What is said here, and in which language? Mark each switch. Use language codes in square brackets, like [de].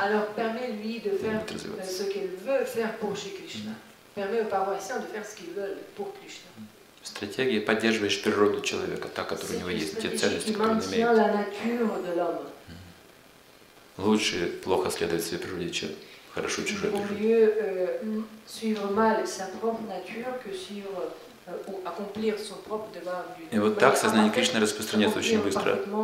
[fr] Alors, permets-lui de faire ce qu'elle veut faire pour Кришна. Permets aux paroissiens de faire ce qu'ils veulent pour Кришна. [ru] В стратегии поддерживаешь природу человека, та, которая у него есть, те ценности, которые он имеет. [fr] La nature de l'homme. [ru] Лучше плохо следовать своей природе, чем хорошо чужой природе. [fr] Mieux suivre mal sa propre nature que suivre ou accomplir son propre devoir. [ru] И вот так сознание Кришны распространяется очень быстро.